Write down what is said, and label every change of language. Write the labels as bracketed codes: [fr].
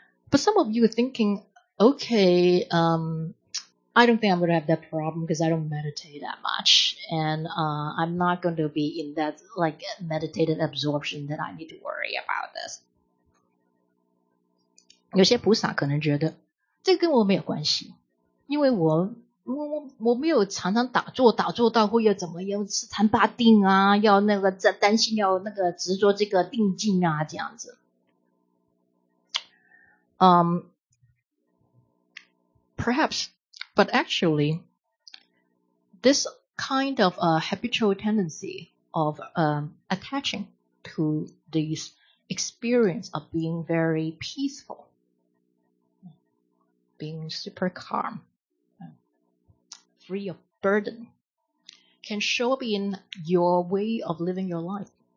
[en] But some of you are thinking, okay, I don't think I'm going to have that problem because I don't meditate that much. And, I'm not going to be in that, like, meditative absorption that I need to worry about this. [zh] 有些菩萨可能觉得这跟我没有关系因为我没有常常打坐到会要怎么样吃禅八定啊要那个担心要那个执着这个定境啊这样子。 [en] Perhaps, but actually, this kind of a habitual tendency of attaching to this experience of being very peaceful, being super calm,free of burden can show up in your way of living your life.